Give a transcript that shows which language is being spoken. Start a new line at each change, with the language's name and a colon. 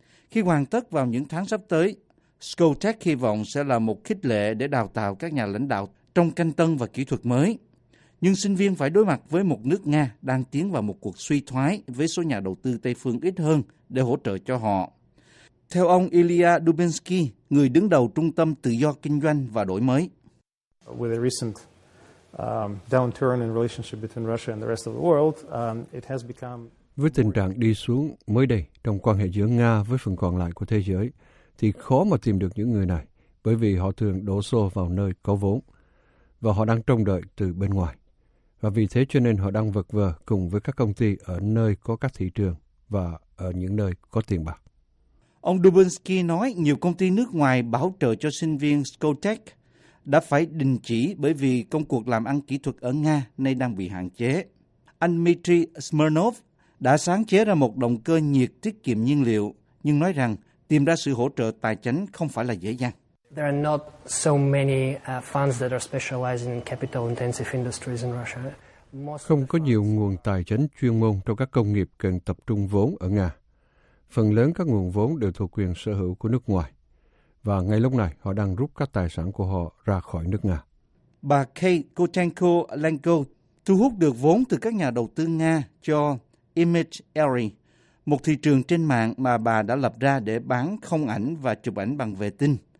Vietnamese: Khi hoàn tất vào những tháng sắp tới, Skoltek hy vọng sẽ là một khích lệ để đào tạo các nhà lãnh đạo trong canh tân và kỹ thuật mới. Nhưng sinh viên phải đối mặt với một nước Nga đang tiến vào một cuộc suy thoái với số nhà đầu tư Tây Phương ít hơn để hỗ trợ cho họ. Theo ông Ilya Dubinsky, người đứng đầu Trung tâm Tự do Kinh doanh và Đổi mới.
English: With a recent downturn in relationship between Russia and the rest of the world, it has become.
Vietnamese: Với tình trạng đi xuống mới đây trong quan hệ giữa Nga với phần còn lại của thế giới, thì khó mà tìm được những người này, bởi vì họ thường đổ xô vào nơi có vốn, và họ đang trông đợi từ bên ngoài. Và vì thế cho nên họ đang vật vờ cùng với các công ty ở nơi có các thị trường và ở những nơi có tiền bạc. Ông Dubinsky nói nhiều công ty nước ngoài bảo trợ cho sinh viên Skoltech đã phải đình chỉ bởi vì công cuộc làm ăn kỹ thuật ở Nga nay đang bị hạn chế. Anh Dmitry Smirnov đã sáng chế ra một động cơ nhiệt tiết kiệm nhiên liệu, nhưng nói rằng tìm ra sự hỗ trợ tài chính không phải là dễ dàng.
English: There are not so many funds that are specialized in capital intensive industries in Russia.
Vietnamese: Không có nhiều nguồn tài chính chuyên môn trong các công nghiệp cần tập trung vốn ở Nga. Phần lớn các nguồn vốn đều thuộc quyền sở hữu của nước ngoài. Và ngay lúc này, họ đang rút các tài sản của họ ra khỏi nước Nga. Bà Kate Kotenko-Lenko thu hút được vốn từ các nhà đầu tư Nga cho Image Ery, một thị trường trên mạng mà bà đã lập ra để bán không ảnh và chụp ảnh bằng vệ tinh.